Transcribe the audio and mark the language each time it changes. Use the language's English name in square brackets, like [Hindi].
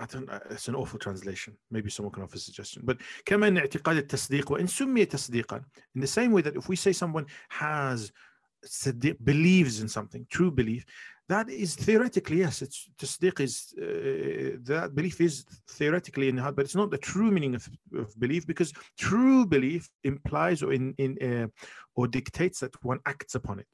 [English] That's an awful translation. Maybe someone can offer a suggestion. But [Arabic] كما نعتقد التصديق وإن سمي تصديقا. [English] In the same way that if we say someone has believes in something, true belief, that is theoretically, yes, it's tasdiq is that belief is theoretically in the heart, but it's not the true meaning of belief, because true belief implies or or dictates that one acts upon it.